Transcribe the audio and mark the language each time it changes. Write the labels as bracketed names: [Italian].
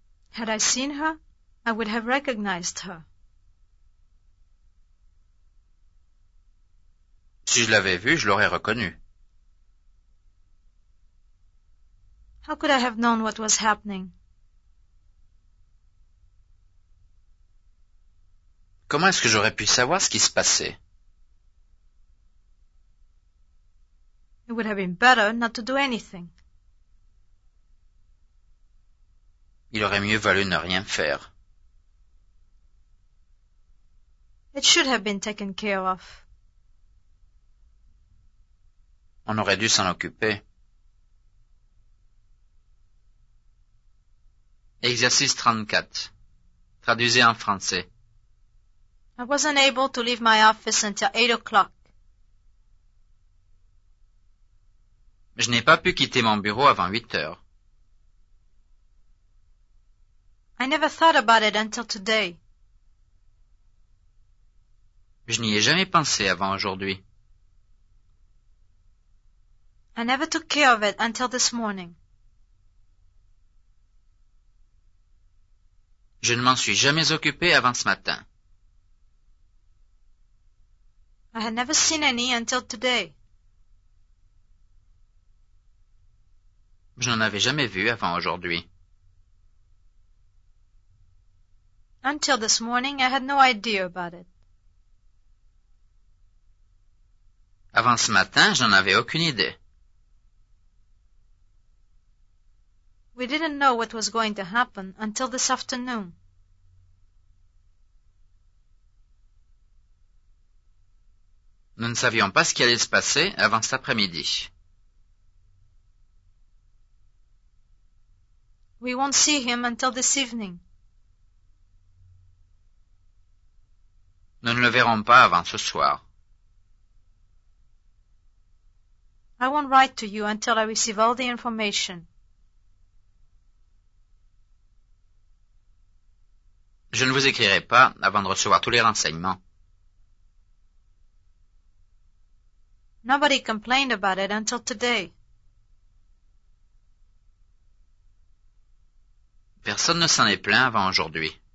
[English] Had I seen her, I would have recognized her. [French] Si je l'avais vue, je l'aurais reconnue. [English] How could I have known what was happening? [French] Comment est-ce que j'aurais pu savoir ce qui se passait? [English] It would have been better not to do anything. [French] Il aurait mieux valu ne rien faire. [English] It should have been taken care of. [French] On aurait dû s'en occuper. Exercice 34. Traduisez en français. [English] I wasn't able to leave my office until 8 o'clock. [French] Je n'ai pas pu quitter mon bureau avant 8 heures. [English] I never thought about it until today. [French] Je n'y ai jamais pensé avant aujourd'hui. [English] I never took care of it until this morning. [French] Je ne m'en suis jamais occupé avant ce matin. [English] I had never seen any until today. [French] Je n'en avais jamais vu avant aujourd'hui. [English] Until this morning, I had no idea about it. [French] Avant ce matin, je n'en avais aucune idée. [English] We didn't know what was going to happen until this afternoon. [French] Nous ne savions pas ce qui allait se passer avant cet après-midi. [English] We won't see him until this evening. [French] Nous ne le verrons pas avant ce soir. [English] I won't write to you until I receive all the information. [French] Je ne vous écrirai pas avant de recevoir tous les renseignements. [English] Nobody complained about it until today. [French] Personne ne s'en est plaint avant aujourd'hui.